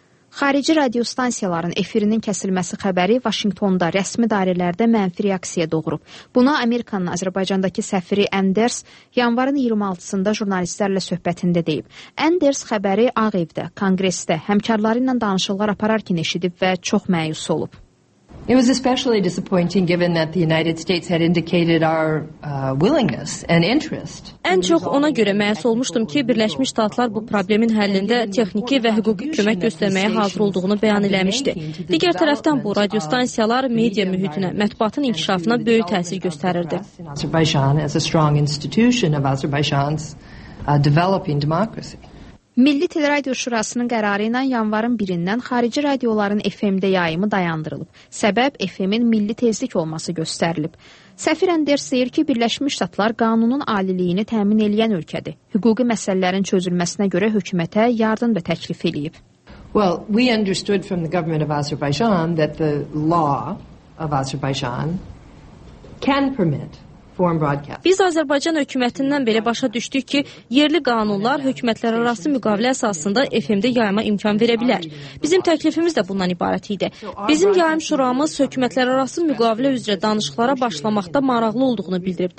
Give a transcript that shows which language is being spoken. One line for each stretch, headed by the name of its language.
Azerbaijani: Xarici radio stansiyaların efirinin kəsilməsi xəbəri Vaşinqtonda rəsmi dairələrdə mənfi reaksiya doğurub. Buna Amerikanın Azərbaycandakı səfiri Anders yanvarın 26-sında jurnalistlərlə söhbətində deyib. Anders xəbəri Ağ Evdə, Konqresdə həmkarları ilə danışıqlar apararkən eşidib və çox məyus olub.
English: It was especially disappointing given that the United States had indicated our willingness and interest.
Azerbaijani: Ən çox ona görə məyus olmuşdum ki, Birləşmiş Ştatlar bu problemin həllində texniki və hüquqi kömək göstərməyə hazır olduğunu bəyan eləmişdi. Digər tərəfdən bu radio stansiyalar media mühitinə, mətbuatın inkişafına böyük təsir göstərirdi.
English: Azerbaijan as a strong institution of Azerbaijan's developing democracy.
Azerbaijani: Milli Teleradio Şurasının qərarı ilə yanvarın 1-dən xarici radioların FM-də yayımı dayandırılıb. Səbəb FM-in milli tezlik olması göstərilib. Səfir Anders deyir ki, Birləşmiş Ştatlar qanunun aliliyini təmin edən ölkədir. Hüquqi məsələlərin çözülməsinə görə hökumətə yardım da təklif edib.
English: Well, we understood from the government of Azerbaijan that the law of Azerbaijan can permit.
Azerbaijani: Biz Azərbaycan hökumətindən belə başa düşdük ki, yerli qanunlar hökumətlər arası müqavilə əsasında FM-də yayıma imkan verə bilər. Bizim təklifimiz də bundan ibarət idi. Bizim yayım şuramız hökumətlər arası müqavilə üzrə danışıqlara başlamaqda maraqlı olduğunu bildirib.